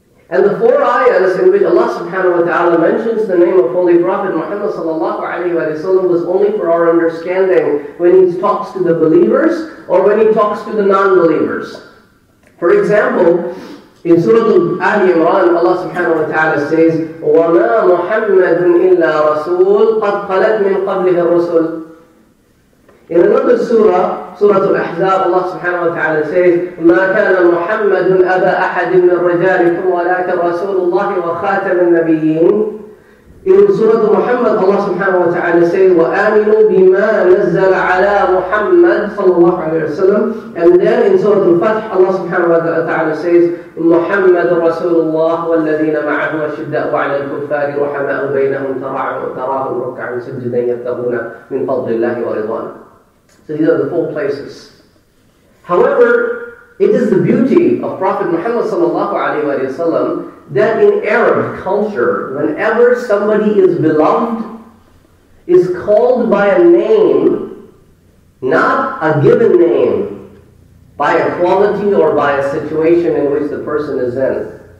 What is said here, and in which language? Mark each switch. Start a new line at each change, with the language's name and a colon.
English: And the four ayahs in which Allah subhanahu wa ta'ala mentions the name of Holy Prophet Muhammad sallallahu alayhi wa sallam was only for our understanding when he talks to the believers or when he talks to the non-believers. For example, in Surah Ali Imran, Allah subhanahu wa ta'ala says,
Arabic: وَمَا مُحَمَّدٌ إِلَّا رَسُولٌ قَدْ خَلَتْ مِنْ قَبْلِهَا الرَّسُولُ.
English: In another surah, Surah Al-Ahzab, Allah subhanahu wa ta'ala says,
Arabic: مَا كَانَ مُحَمَّدٌ أَبَا أَحَدٍ مِنْ رِجَالِكُمْ وَلَكَ رَسُولُ اللَّهِ وَخَاتَمَ النَّبِيِّينَ.
English: In Surah Muhammad, Allah subhanahu wa ta'ala says,
Arabic: وَآمِنُوا بِمَا نَزَّلَ عَلَىٰ مُحَمَّدٍ صلى الله عليه وسلم.
English: And then in Surah Al-Fath, Allah subhanahu wa ta'ala says,
Arabic: مُحَمَّدٌ رَسُولُ اللَّهِ وَالَّذِينَ مَعَهُ أَشِدَّاءُ عَلَىٰ الْكُفَّارِ رُحَمَاءُ بَيْنَهُمْ تَرَاهُمْ رُكَّعًا سُجُدًا يَبْتَغُونَ مِنْ فَضْلِ اللَّهِ وَرِضْوَانًا.
English: So these are the four places. However, it is the beauty of Prophet Muhammad sallallahu alaihi wasallam that in Arab culture, whenever somebody is beloved, is called by a name, not a given name, by a quality or by a situation in which the person is in.